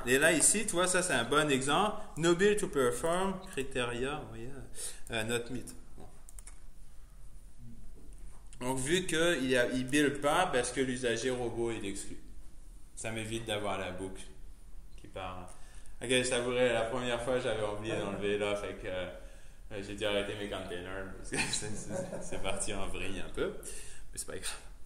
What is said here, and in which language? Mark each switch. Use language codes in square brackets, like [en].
[fr] Et là ici, toi, ça c'est un bon exemple. [en] No build to perform, criteria, not meet. [fr] Donc, vu qu'il ne build pas, parce que l'usager robot est exclu. Ça m'évite d'avoir la boucle qui part. Ok, je t'avouerai, la première fois, j'avais oublié d'enlever là, fait que j'ai dû arrêter mes containers, parce que c'est parti en vrille un peu. Mais c'est pas grave.